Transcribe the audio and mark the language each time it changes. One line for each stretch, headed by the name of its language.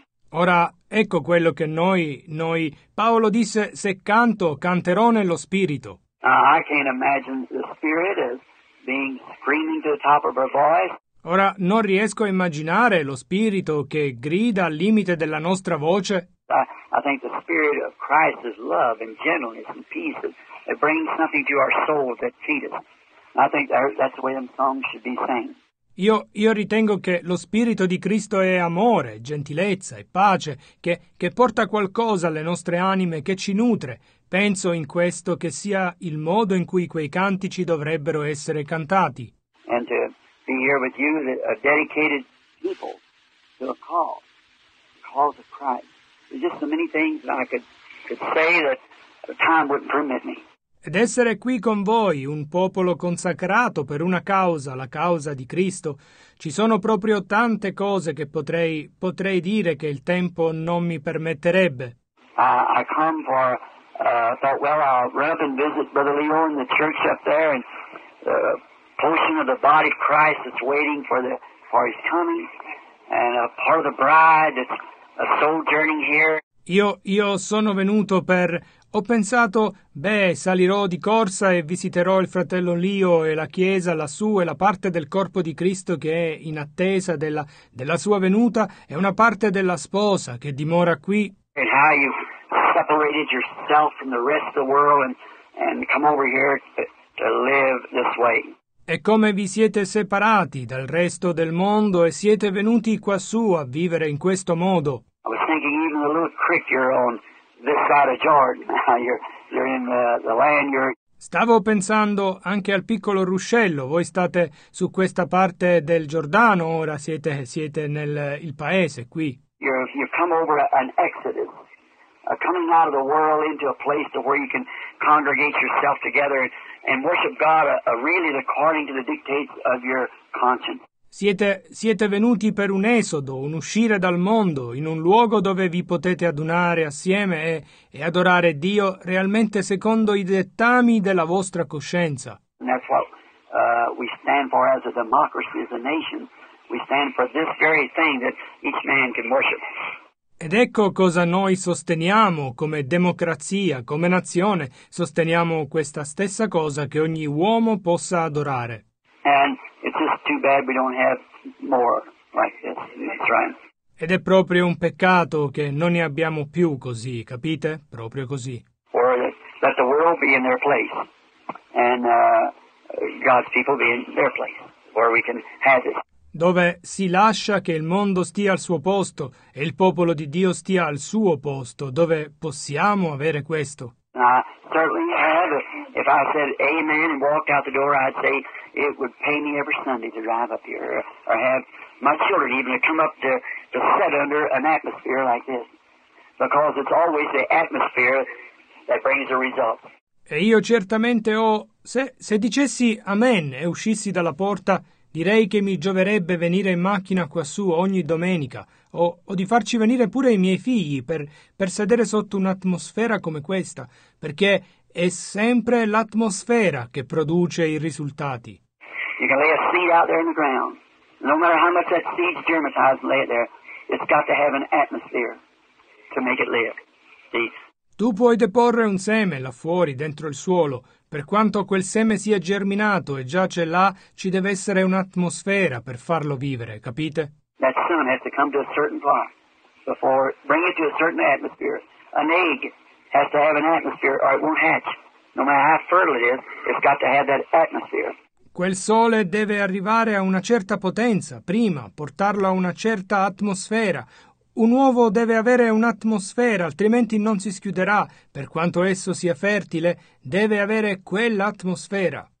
Italian: Ora, ecco quello che noi, Paolo disse, se canto, canterò nello spirito.
English: I can't imagine the spirit as being screaming to the top of her voice.
Italian: Ora, non riesco a immaginare lo spirito che grida al limite della nostra voce.
English: I think the spirit of Christ is love and gentleness and peace. It brings something to our soul that feeds us. I think that's the way them songs should be sang.
Italian: Io ritengo che lo spirito di Cristo è amore, gentilezza e pace, che porta qualcosa alle nostre anime, che ci nutre. Penso in questo che sia il modo in cui quei cantici dovrebbero essere cantati.
English: And to be here with you, a dedicated people to the cause of Christ. There's just so many things that I could say that the time wouldn't permit me.
Italian: Ed essere qui con voi, un popolo consacrato per una causa, la causa di Cristo, ci sono proprio tante cose che potrei dire che il tempo non mi permetterebbe.
English: I come for, thought, well, I'll run up and visit Brother Leo in the church up there, and the portion of the body of Christ that's waiting for his coming, and a part of the bride that's a sojourning here.
Italian: Io sono venuto per... Ho pensato, salirò di corsa e visiterò il fratello Leo e la chiesa lassù e la parte del corpo di Cristo che è in attesa della sua venuta e una parte della sposa che dimora qui.
English: And how you separated yourself from the rest of the world and come over here to live this way.
Italian: E come vi siete separati dal resto del mondo e siete venuti quassù a vivere in questo modo.
English: I was thinking even the little creek you're on. This side of Jordan. You're in the land.
Italian: Stavo pensando anche al piccolo ruscello. Voi state su questa parte del Giordano. Ora siete nel il paese qui.
English: You've come over an exodus, coming out of the world into a place to where you can congregate yourself together and worship God really according to the dictates of your conscience.
Italian: Siete venuti per un esodo, un uscire dal mondo, in un luogo dove vi potete adunare assieme e adorare Dio realmente secondo i dettami della vostra coscienza.
English: And that's what we stand for as a democracy, as a nation. We stand for this very thing that each man can worship.
Italian: Ed ecco cosa noi sosteniamo come democrazia, come nazione. Sosteniamo questa stessa cosa che ogni uomo possa adorare.
English: And it's just too bad we don't have more like this. Right.
Italian: Ed è proprio un peccato che non ne abbiamo più così, capite? Proprio così.
English: Or let the world be in their place and God's people be in their place where we can have it.
Italian: Dove si lascia che il mondo stia al suo posto e il popolo di Dio stia al suo posto, dove possiamo avere questo.
English: I certainly have If I said amen and walked out the door, I'd say it would pay me every Sunday to drive up here or have my children even to come up to sit under an atmosphere like this. Because it's always the atmosphere that brings the result.
Italian: E io certamente ho... Se dicessi amen e uscissi dalla porta, direi che mi gioverebbe venire in macchina quassù ogni domenica, o di farci venire pure i miei figli per sedere sotto un'atmosfera come questa, perché è sempre l'atmosfera che produce i risultati.
English: You can lay a seed out there in the ground. No matter how much that seed's germinated, lay it there. It's got to have an atmosphere to make it live. See?
Italian: Tu puoi deporre un seme là fuori, dentro il suolo. Per quanto quel seme sia germinato e già c'è là, ci deve essere un'atmosfera per farlo vivere, capite?
English: That sun has to come to a certain spot before bring it to a certain atmosphere. An egg has to have an atmosphere or it won't hatch. No matter how fertile it is, it's got to have that atmosphere.
Italian: Quel sole deve arrivare a una certa potenza prima, portarlo a una certa atmosfera. Un uovo deve avere un'atmosfera, altrimenti non si schiuderà. Per quanto esso sia fertile, deve avere quell'atmosfera.